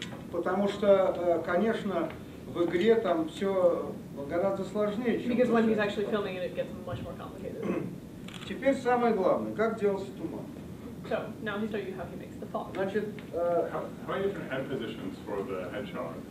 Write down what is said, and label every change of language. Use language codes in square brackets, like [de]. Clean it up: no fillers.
[ru] Потому что, конечно, в игре там все гораздо сложнее, чем. [en] Because when he's actually filming it, it gets much more complicated. [ru] Теперь самое главное, как делался туман. [en] So, now he showed you how he makes the fog. [ru] Значит, [en] how many different head positions for the hedgehog?